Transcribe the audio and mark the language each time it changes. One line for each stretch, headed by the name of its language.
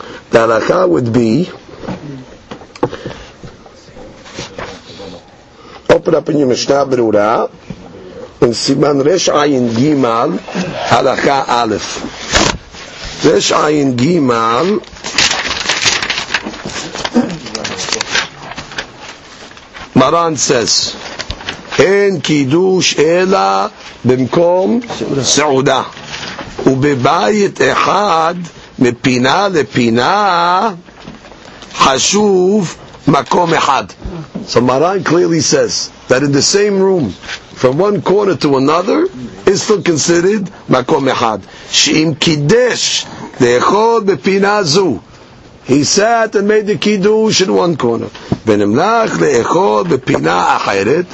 English: The halakha would be, open up in your Mishnah Berura, in Siman Resh Ayin Gimal, halakha Aleph. Resh Ayin Gimal, Maran says,
Hebrew: אין קידוש אלא במקום סעודה. ובבית אחד, מפינה לפינה, חשוב מקום אחד.
English: So Maran clearly says that in the same room, from one corner to another, is still considered מקום אחד.
Hebrew: שאם קידש לאכול בפינה זו,
English: he sat and made the kiddush in one corner.
Hebrew: Venimlach le'echol b'pina acheret.